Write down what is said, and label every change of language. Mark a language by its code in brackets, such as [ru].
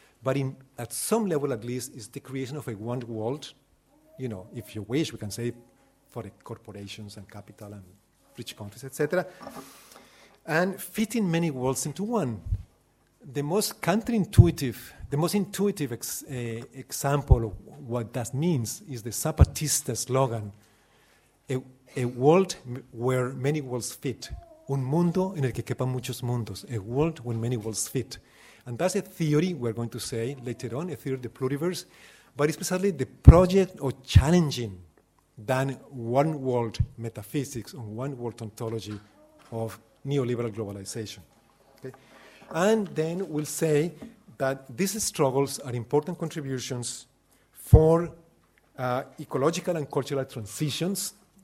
[en] But at some level, at least, is the creation of a one world, you know, if you wish, we can say for the corporations and capital and rich countries, etc. And fitting many worlds into one. The most counterintuitive, the most intuitive example of what that means is the Zapatista slogan, a world where many worlds fit. [es] Un mundo en el que quepan muchos mundos. [en] A world when many worlds fit. And that's a theory we're going to say later on, a theory of the pluriverse, but it's precisely the project of challenging than one world metaphysics and one world ontology of neoliberal globalization. And then we'll say that these struggles are important contributions for ecological and cultural transitions,